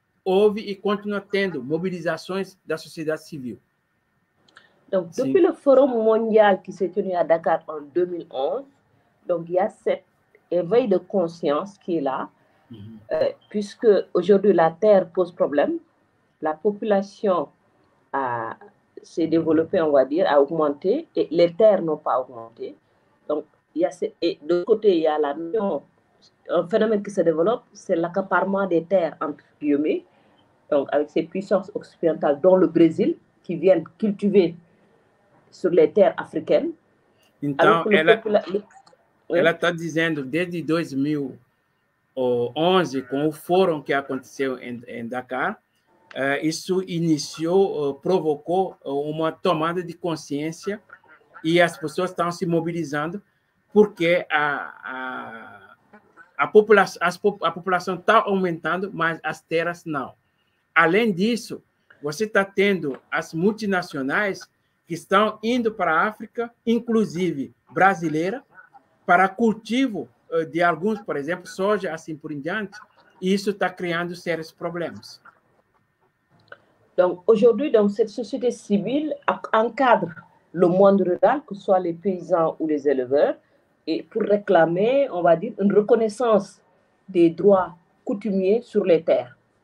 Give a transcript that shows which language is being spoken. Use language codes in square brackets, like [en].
[pt] Houve e continua tendo mobilizações da sociedade civil. [fr] Donc, depuis le Forum mondial qui s'est tenu à Dakar en 2011, donc il y a cet éveil de conscience qui est là, puisque aujourd'hui la terre pose problème, la population s'est développée, on va dire, a augmenté, et les terres n'ont pas augmenté. Donc, il y a et de côté, il y a un phénomène qui se développe, c'est l'accaparement des terres, entre guillemets. Donc, avec ces puissances occidentales, dont le Brésil, qui viennent cultiver sur les terres africaines. Donc, elle [pt] está dizendo, desde 2011, com o fórum que aconteceu em Dakar, isso iniciou, provocou uma tomada de consciência e as pessoas estão se mobilizando porque a população está aumentando, mas as terras não. Além disso, você está tendo as multinacionais que estão indo para a África, inclusive brasileira, para cultivo de alguns, por exemplo, soja, assim por diante, e isso está criando sérios problemas. [fr] Então, aujourd'hui, donc, cette société civile encadre le monde rural, que ce soit les paysans ou les éleveurs, et pour réclamer, on va dire, une reconnaissance des droits coutumiers sur les terres.